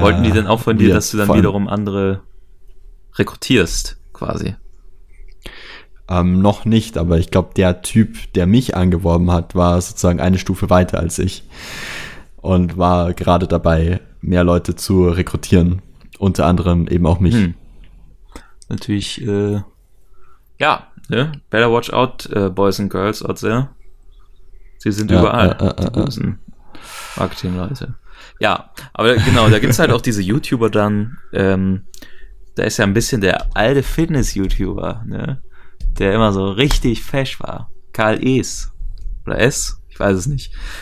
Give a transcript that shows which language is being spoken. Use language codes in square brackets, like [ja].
[de] Wollten die denn auch von dir, dass du dann wiederum andere rekrutierst, quasi? Noch nicht, aber ich glaube, der Typ, der mich angeworben hat, war sozusagen eine Stufe weiter als ich und war gerade dabei, mehr Leute zu rekrutieren, unter anderem eben auch mich. Hm. Natürlich, ja, ne? [en] Better watch out, boys and girls out there. [de] Sie sind ja, überall, die bösen Marketing-Leute. Ja, aber genau, da gibt's halt auch diese YouTuber dann, da ist ja ein bisschen der alte Fitness-YouTuber, ne? Der immer so richtig fesch war. Karl E's. Oder S? Ich weiß es nicht.